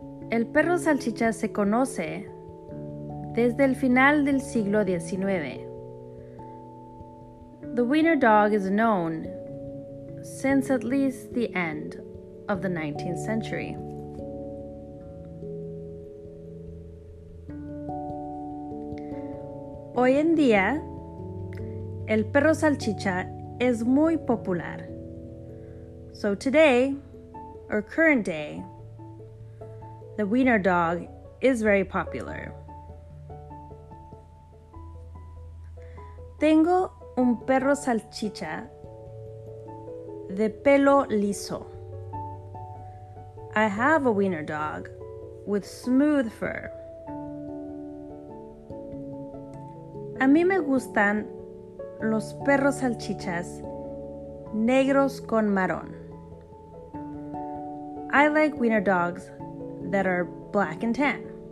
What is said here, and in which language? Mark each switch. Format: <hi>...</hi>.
<es>El perro salchicha se conoce desde el final del siglo XIX.</es> <en>The wiener dog is known since at least the end of the 19th century.</en> <es>Hoy en día, el perro salchicha es muy popular.</es> <en>So today, or current day, the wiener dog is very popular.</en> <es>Tengo un perro salchicha de pelo liso.</es> <en>I have a wiener dog with smooth fur.</en> <es>A mí me gustan los perros salchichas negros con marrón.</es> <en>I like wiener dogs that are black and tan.</en>